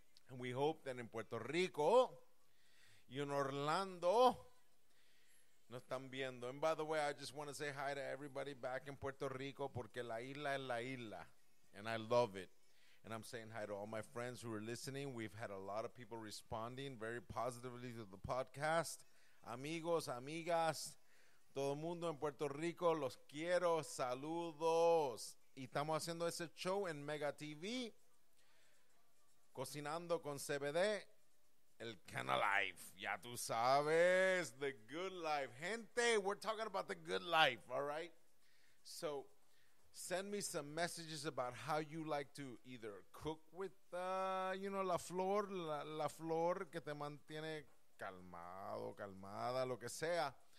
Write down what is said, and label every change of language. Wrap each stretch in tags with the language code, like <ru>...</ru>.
<en>And we hope that in Puerto Rico, in Orlando,</en> <es>no están viendo.</es> <en>And by the way, I just want to say hi to everybody back in Puerto Rico</en> <es>porque la isla es la isla.</es> <en>And I love it. And I'm saying hi to all my friends who are listening. We've had a lot of people responding very positively to the podcast.</en> <es>Amigos, amigas, todo mundo en Puerto Rico, los quiero, saludos. Y estamos haciendo ese show en Mega TV, Cocinando con CBD. El Kana Life, ya tú sabes,</es> <en>the good life. Gente, we're talking about the good life, all right? So send me some messages about how you like to either cook with, you know,</en> <es>la flor que te mantiene calmado, calmada, lo que sea.</es>